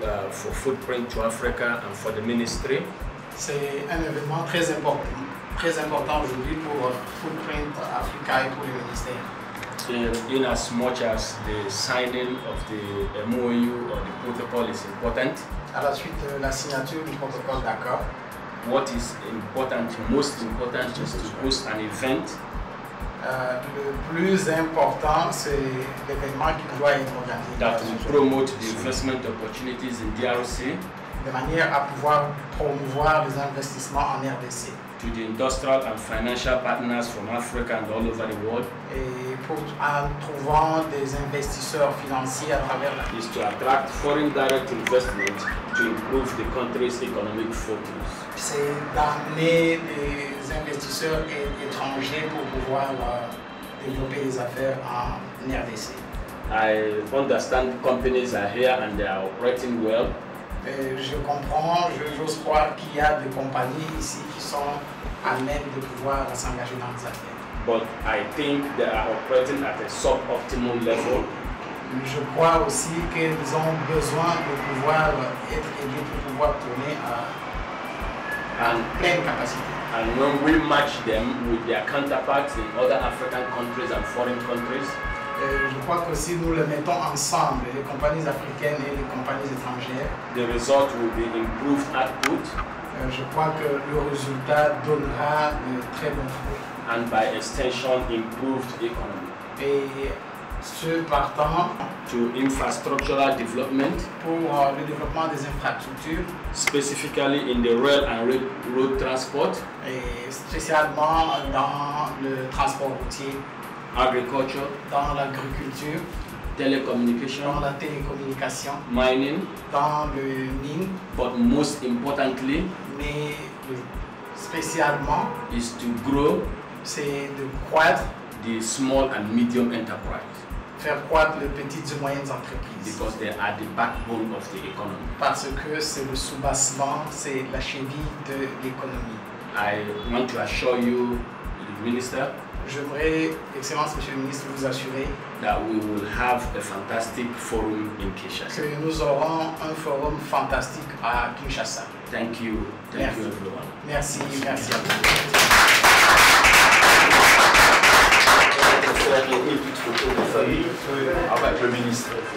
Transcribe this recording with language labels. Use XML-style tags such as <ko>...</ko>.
<en>For Footprint to Africa and for the ministry.</en> <fr>C'est un événement très important aujourd'hui pour Footprint Africa et pour le ministère.</fr> <en>In as much as the signing of the MOU or the protocol is important.</en> <fr>À la suite de la signature du protocole d'accord.</fr> <en>What is important, most important, is to host an event.</en> <fr>Le plus important, c'est l'événement qui doit être organisé.</fr> <en>That will promote the investment opportunities in DRC.</en> <fr>De manière à pouvoir promouvoir les investissements en RDC.</fr> <en>To the industrial and financial partners from Africa and all over the world.</en> <fr>Et pour en trouvant des investisseurs financiers à travers la.</fr> <en>Is to attract foreign direct investment to improve the country's economic focus.</en> <fr>C'est d'amener des investisseurs étrangers pour pouvoir développer les affaires en RDC.</fr> <en>I understand companies are here and they are operating well.</en> <fr>Je comprends, j'ose croire qu'il y a des compagnies ici qui sont à même de pouvoir s'engager dans les affaires.</fr> <en>But I think they are operating at a sub-optimal level.</en> <fr>Je crois aussi qu'ils ont besoin de pouvoir être aidés pour pouvoir tourner à pleine capacité.</fr> <en>And when we match them with their counterparts in other African countries and foreign countries.</en> <fr>Je crois que si nous le mettons ensemble, les compagnies africaines et les compagnies étrangères,</fr> <en>the result will be improved output.</en> <fr>Je crois que le résultat donnera de très bons fruits.</fr> <en>And by extension, improved economy.</en> <fr>Et ce partant,</fr> <en>to infrastructural development,</en> <fr>pour le développement des infrastructures,</fr> <en>specifically in the rail and road transport,</en> <fr>et spécialement dans le transport routier.</fr> <en>Agriculture,</en> <fr>dans l'agriculture,</fr> <en>telecommunication,</en> <fr>dans la télécommunication,</fr> <en>mining,</en> <fr>dans le mine,</fr> <en>but most importantly,</en> <fr>mais spécialement,</fr> <en>is to grow,</en> <fr>c'est de croître,</fr> <en>the small and medium enterprise,</en> <fr>faire croître les petites et moyennes entreprises,</fr> <en>because they are the backbone of the economy,</en> <fr>parce que c'est le soubassement, c'est la cheville de l'économie.</fr> <en>I want to assure you, the minister.</en> <fr>J'aimerais, Excellence, Monsieur le Ministre, vous assurer</fr> <en>that we will have a fantastic forum in Kinshasa.</en> <fr>Que nous aurons un forum fantastique à Kinshasa.</fr> <en>Thank you. Thank</en> <fr>merci.</fr> <en>You, everyone.</en> <fr>Merci, merci, merci à vous. Je vais faire une petite photo de famille avec le ministre.</fr>